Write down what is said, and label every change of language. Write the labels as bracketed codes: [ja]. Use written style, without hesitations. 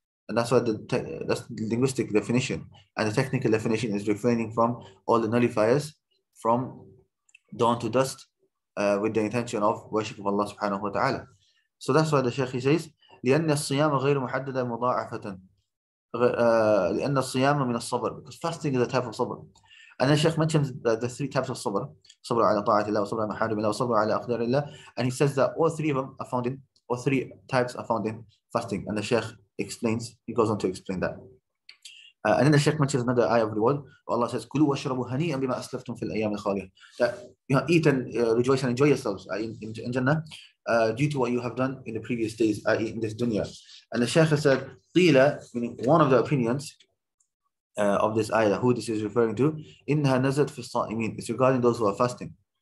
[en] And that's why that's the linguistic definition. And the technical definition is refraining from all the nullifiers from dawn to dusk with the intention of worship of Allah subhanahu wa ta'ala. So that's why the Sheikh, he says, [ar] لِأَنَّ الصِّيَامَ غَيْرُ مُحَدَّدًا مُضَاعَفَةً. لأن الصيام من الصبر, [en] because fasting is a type of صبر. And the Sheikh mentions the three types of [ar] صبر, صبر على طاعة الله وصبر على محارم الله وصبر على أقدار الله. [en] And he says that all three of them are found in, all three types are found in fasting. And the Sheikh explains, he goes on to explain that. And then the Sheikh mentions another ayah of reward. Allah says, [ar] كلوا واشربوا هنيئا بما أسلفتم في الأيام الخالية. [en] That you know, eat and rejoice and enjoy yourselves in Jannah due to what you have done in the previous days, i.e. in this dunya. And the Sheikh said, Qila, meaning one of the opinions of this ayah, who this is referring to, [ar] إِنَّهَا نَزَلَتْ فِي الصَّائِمِينَ, [en] it's regarding those who are fasting.